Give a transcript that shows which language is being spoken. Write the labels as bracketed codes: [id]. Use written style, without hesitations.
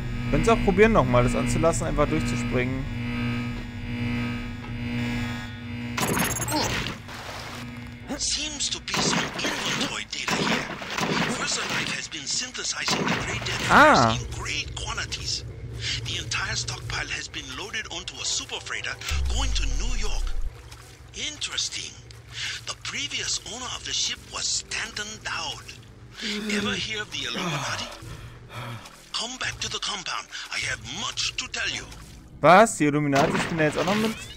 [de] Könnt ihr auch probieren, nochmal das anzulassen, einfach durchzuspringen. [en] Seems to be some inventory data here. VersaLife has been synthesizing the Great Death Virus in great quantities. The entire stockpile has been loaded onto a super freighter going to New York. Interesting. The previous owner of the ship was Stanton Dowd. Ever hear of the Illuminati? Come back to the compound. I have much to tell you. [de] Was? Die Illuminati spielen jetzt auch noch mit?